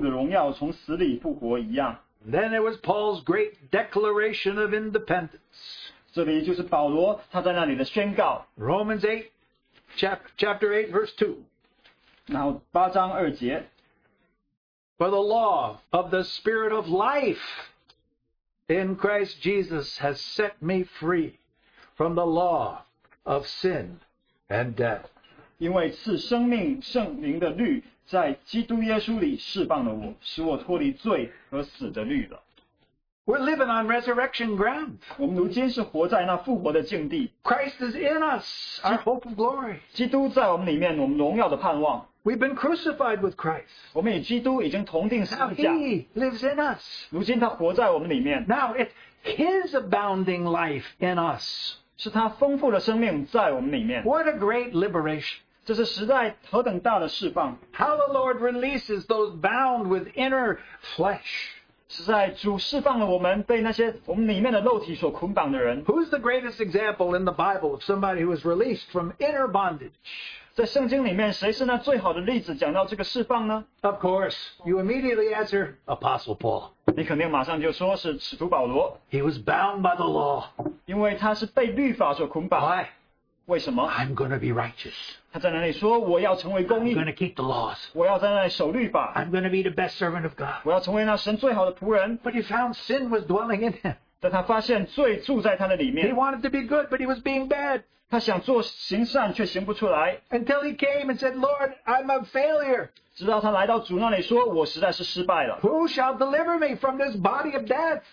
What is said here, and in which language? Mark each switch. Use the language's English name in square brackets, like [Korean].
[Chinese] 6章4节，所以我们借着洗礼归入死，和他一同埋葬，原是叫我们一举一动有新生的样式，像基督借着父的荣耀从死里复活一样。 [English] Then it was Paul's great declaration of independence. [Chinese] 这里就是保罗他在那里的宣告。 [English] Romans 8, chapter 8, verse 2. [Chinese] 然后8章2节。 [English] For the law of the Spirit of life in Christ Jesus has set me free from the law of sin and death. [Chinese] 因为赐生命圣灵的律在基督耶稣里释放了我，使我脱离罪和死的律了。 [English] We're living on resurrection ground. Christ is in us, our hope of glory. [Chinese] 基督在我们里面, 我们荣耀的盼望。 [English] We've been crucified with Christ. [Chinese] 我们与基督已经同定十字架。 [English] Now he lives in us. [Chinese] 如今他活在我们里面。 [English] Now it's his abounding life in us. [Chinese] 是他丰富的生命在我们里面。 [English] What a great liberation. [Chinese] 这是时代何等大的释放。 [English] How the Lord releases those bound with inner flesh. [Chinese] 是在主释放了我们被那些我们里面的肉体所捆绑的人。 [English] Who's the greatest example in the Bible of somebody who was released from inner bondage? [Chinese] 在圣经里面谁是那最好的例子讲到这个释放呢? [English] Of course, you immediately answer, Apostle Paul. [Chinese] 你肯定马上就说是使徒保罗。 [English] He was bound by the law. [Chinese] 因为他是被律法所捆绑。 [English] Why? [Chinese] 为什么? [English] I'm going to be righteous. [Chinese] 他在那里说,我要成为公义, [English] I'm going to keep the laws. [Chinese] 我要在那里守律法, [English] I'm going to be the best servant of God. [Chinese] 我要成为那神最好的仆人, [English] but he found sin was dwelling in him. [Chinese] 但他发现罪住在他的里面, [English] he wanted to be good, but he was being bad. [Chinese] 他想做行善却行不出来, [English] until he came and said, Lord, I'm a failure. [Chinese] 直到他来到主那里说,我实在是失败了。 [English] Who shall deliver me from this body of death?